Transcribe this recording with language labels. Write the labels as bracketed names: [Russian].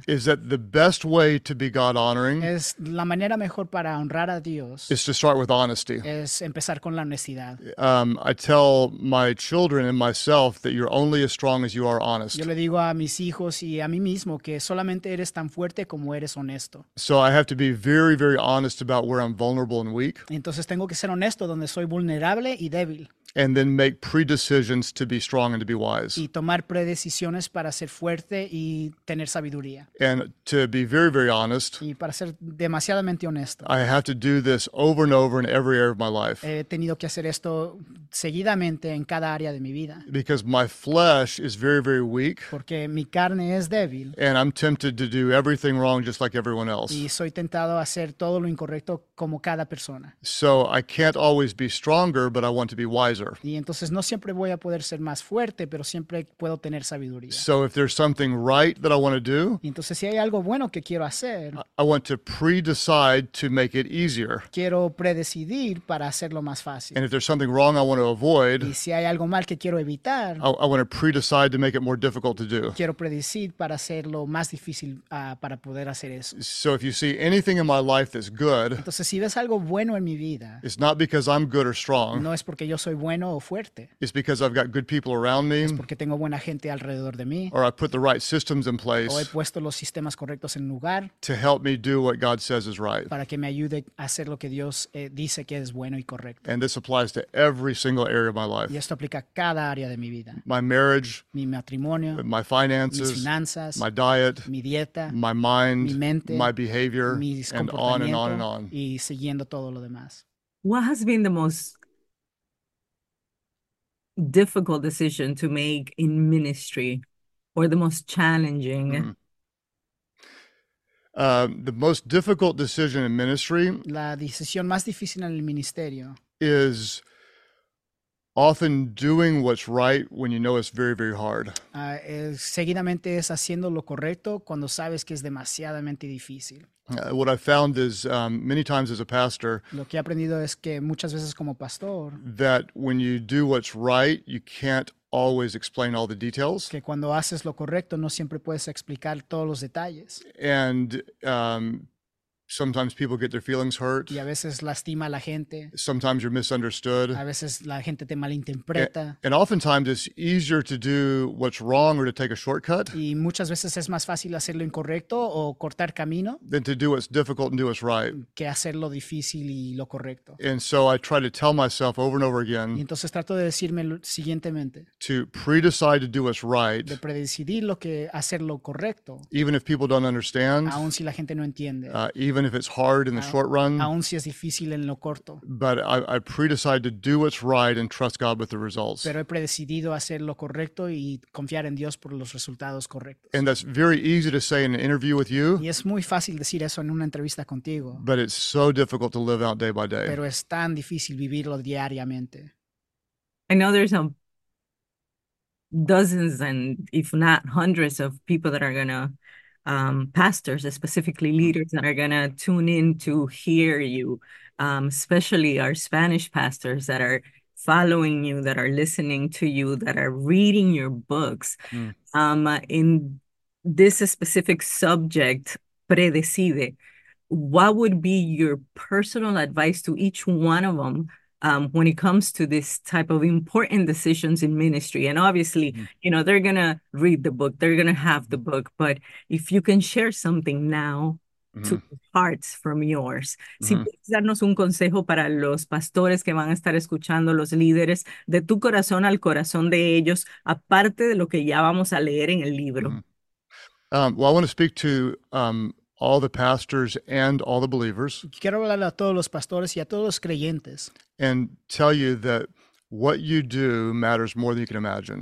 [English] is that the best way to be God honoring [Spanish] es la manera mejor para honrar a Dios [English] is to start with honesty. [Spanish] Es empezar con la honestidad. [English] I tell my children and myself that you're only as strong as you are honest. [Spanish] Yo le digo a mis hijos y a mí mismo que solamente eres tan fuerte como eres honesto. [English] So I have to be very, very honest about where I'm vulnerable and weak. [Spanish] Entonces tengo que ser honesto donde soy vulnerable y débil. [English] And then make predecisions to be strong and to be wise. [Spanish] Y tomar predecisiones para ser fuerte y tener sabiduría. [English] And to be very, very honest. [Spanish] Y para ser demasiadamente honesto. [English] I have to do this over and over in every area of my life. [Spanish] He tenido que hacer esto seguidamente en cada área de mi vida. [English] Because my flesh is very, very weak. [Spanish] Porque mi carne es débil. [English] And I'm tempted to do everything wrong just like everyone else. [Spanish] Y soy tentado a hacer todo lo incorrecto como cada persona. [English] So I can't always be stronger, but I want to be wiser. [Spanish] Y entonces no siempre voy a poder ser más fuerte, pero siempre puedo tener sabiduría. [English] So if there's something right that I want to do, [Spanish] y entonces si hay algo bueno que quiero hacer, [English] I want to pre-decide to make it easier. [Spanish] Quiero predecidir para hacerlo más fácil. [English] And if there's something wrong I want to avoid, [Spanish] y si hay algo mal que quiero evitar, [English] I want to pre-decide to make it more difficult to do. [Spanish] Quiero predecir para hacerlo más difícil para poder hacer eso. [English] So if you see anything in my life that's good, [Spanish] entonces si ves algo bueno en mi vida, [English] it's not because I'm good or strong. [Spanish] No es porque yo soy bueno o fuerte. [English] It's because I've got good people around me. [Spanish] Es porque tengo buena gente alrededor de mí. [English] Or I put the right systems in place. [Spanish] O he puesto los sistemas correctos en lugar. [English] To help me do what God says is right. [Spanish] Para que me ayude a hacer lo que Dios dice que es bueno y correcto. [English] And this applies to every single area of my life. [Spanish] Y esto aplica a cada área de mi vida. [English] My marriage. [Spanish] Mi matrimonio. [English] My finances. [Spanish] Mis finanzas. [English] My diet. [Spanish] Mi dieta. [English] My mind. [Spanish] Mi mente. [English] My behavior. [Spanish] Mis comportamientos. [English] And on and on and on. [Spanish] Y siguiendo todo lo demás. [English] What has been the most difficult decision to make in ministry, or the most challenging? The most difficult decision in ministry, [Spanish] la decisión más difícil en el ministerio, [English] is often doing what's right when you know it's very, very hard. [Spanish] Seguidamente es haciendo lo correcto cuando sabes que es demasiadamente difícil. [English] What I found is many times as a pastor, [Spanish] lo que he aprendido es que muchas veces como pastor, [English] that when you do what's right, you can't always explain all the details. [Spanish] Que cuando haces lo correcto, no siempre puedes explicar todos los detalles. [English] And sometimes people get their feelings hurt. [Spanish] Y a veces lastima a la gente. [English] Sometimes you're misunderstood. [Spanish] A veces la gente te malinterpreta. [English] And oftentimes it's easier to do what's wrong or to take a shortcut. [Spanish] Y muchas veces es más fácil hacer lo incorrecto o cortar camino. [English] Than to do what's difficult and do what's right. [Spanish] Que hacer lo difícil y lo correcto. [English] And so I try to tell myself over and over again. [Spanish] Y entonces trato de decirme siguientemente. [English] To pre-decide to do what's right. [Spanish] De predecidir lo que hacer lo correcto. [English] Even if people don't understand. [Spanish] Aun si la gente no entiende. [English] Even if it's hard in the short run, [Spanish] aun si es difícil en lo corto. [English] But I pre-decide to do what's right and trust God with the results. [Spanish] Pero he predecidido hacer lo correcto y confiar en Dios por los resultados correctos. [English] And that's very easy to say in an interview with you. [Spanish] Y es muy fácil decir eso en una entrevista contigo. [English] But it's so difficult to live out day by day. [Spanish] Pero es tan difícil vivirlo diariamente. [English] I know there's some dozens and if not hundreds of people that are going to pastors, specifically leaders, that are going to tune in to hear you, especially our Spanish pastors that are following you, that are listening to you, that are reading your books. In this specific subject, Predecide, what would be your personal advice to each one of them when it comes to this type of important decisions in ministry? And obviously, you know, they're going to read the book. They're going to have the book. But if you can share something now to hearts from yours. [Spanish] Si puedes darnos un consejo para los pastores que van a estar escuchando, los líderes, de tu corazón al corazón de ellos, aparte de lo que ya vamos a leer en el libro. [English] Well, I want to speak to all the pastors and all the believers. [Spanish] Quiero hablar a todos los pastores y a todos los creyentes. [English] And tell you that what you do matters more than you can imagine.